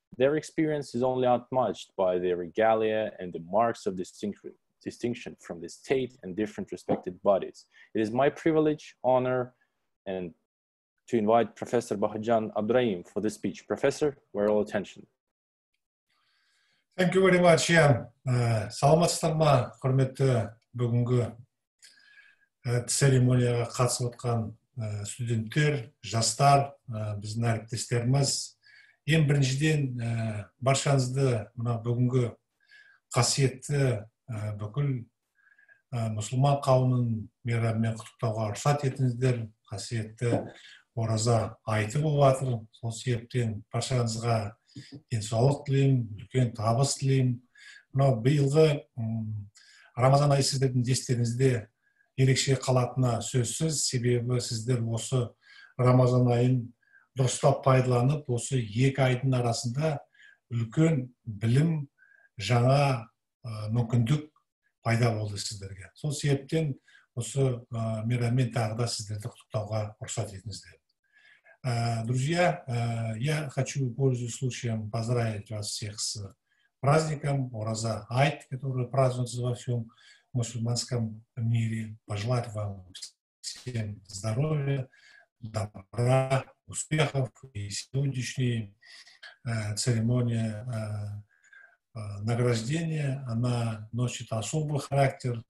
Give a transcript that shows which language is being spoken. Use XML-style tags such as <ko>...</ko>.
<en>Their experience is only outmatched by their regalia and the marks of distinction from the state and different respected bodies. It is my privilege, honor, and to invite Professor Bahajan Abdrahim for the speech. Professor, we're all attention. Thank you very much. Yeah.</en> <uz>Salamatsizlarmi, hurmatli</uz> <kk>bugungi церемонияға қатысып отқан студенттер, жастар, біздің әріптестеріміз. Ең біріншіден баршаңызды мына бүгінгі қасиетті бүкіл мұсылман қауымының мейрамымен құттықтауға рұқсат етіңіздер. Қасиетті ораза айты болып жатыр. Сол себептен баршаңызға денсаулық тілеймін, үлкен табыс тілеймін. Мынау биылғы Рамазан айы сіздердің естеріңізде ерекше қалатына сөзсіз, себебі сіздер осы Рамазан айын дұрыстап пайдаланып, осы екі айдың арасында үлкен білім, жаңа мүмкіндік пайда болды сіздерге. Сол себептен осы мейраммен тағы да сіздерді құттықтауға рұқсат етіңіздер.</kk> <ru>Друзья, я хочу пользуясь случаем поздравить вас всех с праздником Ораза Айт, который празднуется во всем мусульманском мире, пожелать вам всем здоровья, добра, успехов и сегодняшняя церемония награждения, она носит особый характер.</ru>